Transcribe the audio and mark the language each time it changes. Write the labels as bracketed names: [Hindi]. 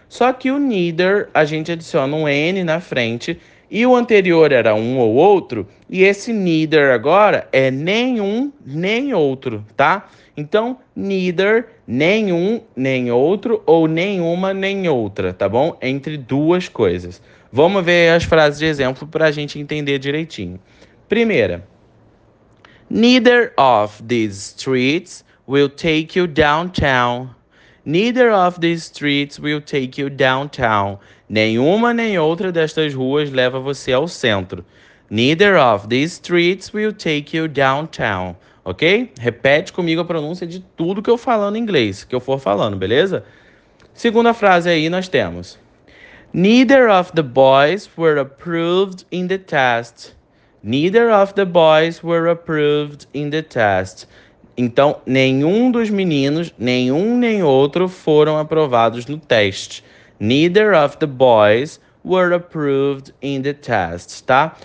[Portuguese] Só que o neither, a gente adiciona um N na frente, e o anterior era um ou outro, e esse neither agora é nenhum nem outro, tá? Então, neither, nenhum nem outro, ou nenhuma nem outra, tá bom? Entre duas coisas. Vamos ver as frases de exemplo para a gente entender direitinho. Primeira. [English] Neither of these streets will take you downtown. Neither of these streets will take you downtown. [Portuguese] Nenhuma nem outra destas ruas leva você ao centro. [English] Neither of these streets will take you downtown. Ok? [Portuguese] Repete comigo a pronúncia de tudo que eu falando em inglês, que eu for falando, beleza? Segunda frase aí nós temos. [English] Neither of the boys were approved in the test. Neither of the boys were approved in the test. [Portuguese] Então, nenhum dos meninos, nenhum nem outro, foram aprovados no teste. [English] Neither of the boys were approved in the test, tá?